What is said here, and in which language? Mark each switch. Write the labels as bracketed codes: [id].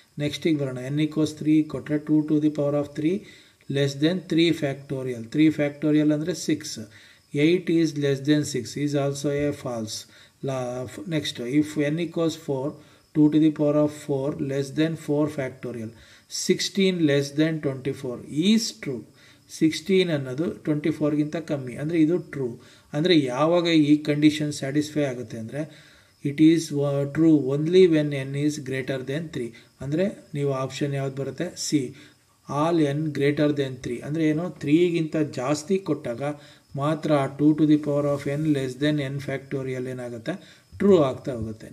[kn] ನೆಕ್ಸ್ಟಿಗೆ ಬರೋಣ, N equals 3 ಕೊಟ್ಟರೆ 2⁻³ - 3 factorial, 3 factorial ಅಂದರೆ 6, [en] 8 is less than 6 is also a false. Next, if n equals 4, 2 to the power of 4 less than 4 factorial, 16 less than 24 is true. [kn] 16 ಅನ್ನೋದು 24 ಗಿಂತ ಕಮ್ಮಿ ಅಂದರೆ ಇದು true. ಅಂದರೆ ಯಾವಾಗ ಈ ಕಂಡೀಷನ್ ಸ್ಯಾಟಿಸ್ಫೈ ಆಗುತ್ತೆ ಅಂದರೆ [en] It is true only when n is greater than 3. [kn] ಅಂದರೆ ನೀವು ಆಪ್ಷನ್ ಯಾವ್ದು ಬರುತ್ತೆ, C, [en] All n greater than 3. [kn] ಅಂದರೆ ಏನು, 3ಗಿಂತ ಜಾಸ್ತಿ ಕೊಟ್ಟಾಗ ಮಾತ್ರ [en] 2 to the power of n less than n factorial [kn] ಏನಾಗುತ್ತೆ, ಟ್ರೂ ಆಗ್ತಾ ಹೋಗುತ್ತೆ.